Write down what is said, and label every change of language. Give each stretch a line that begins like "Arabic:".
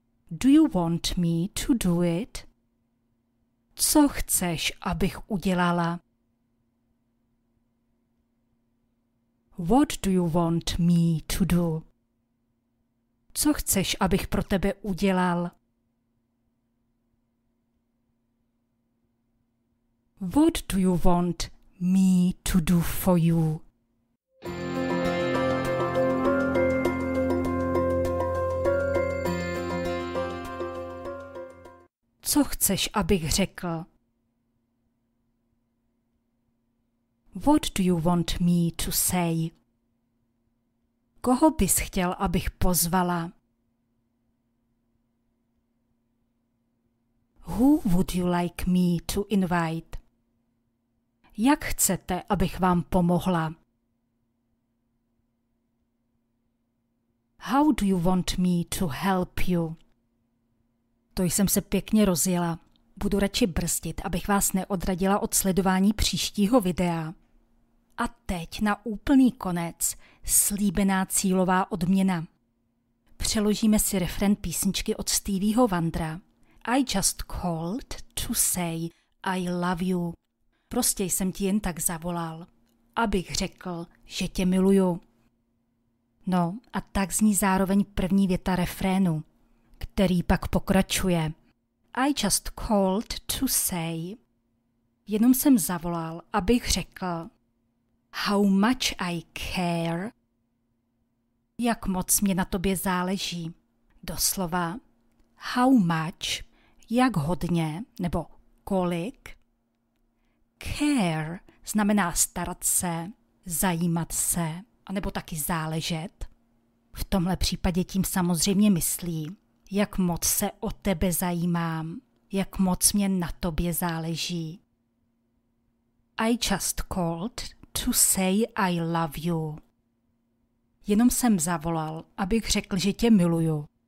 English: Do you want me to do it?
Czech: Co chceš, abych udělala?
English: What do you want me to do?
Czech: Co chceš, abych pro tebe udělal?
English: What do you want me to do for you?
Czech: Co chceš, abych řekl?
English: What do you want me to say?
Czech: Koho bys chtěl, abych pozvala?
English: Who would you like me to invite?
Czech: Jak chcete, abych vám pomohla?
English: How do you want me to help you?
Czech: To jsem se pěkně rozjela. Budu radši brzdit, abych vás neodradila od sledování příštího videa. A teď na úplný konec slíbená cílová odměna. Přeložíme si refren písničky od Stevieho Wandera.
English: I just called to say I love you.
Czech: Prostě jsem ti jen tak zavolal, abych řekl, že tě miluju. No a tak zní zároveň první věta refrénu, který pak pokračuje.
English: I just called to say.
Czech: Jenom jsem zavolal, abych řekl.
English: How much I care.
Czech: Jak moc mě na tobě záleží. Doslova.
English: How much,
Czech: jak hodně, nebo kolik. Care znamená starat se, zajímat se, anebo taky záležet. V tomhle případě tím samozřejmě myslí, jak moc se o tebe zajímám, jak moc mě na tobě záleží.
English: I just called to say I love you.
Czech: Jenom jsem zavolal, abych řekl, že tě miluju.